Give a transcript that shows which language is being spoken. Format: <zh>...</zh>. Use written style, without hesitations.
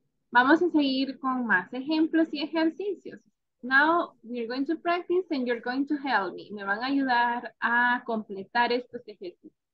<es>Vamos a seguir con más ejemplos y ejercicios.</es> <en>Now we're going to practice and you're going to help me.</en> <es>Me van a ayudar a completar estos ejercicios.</es>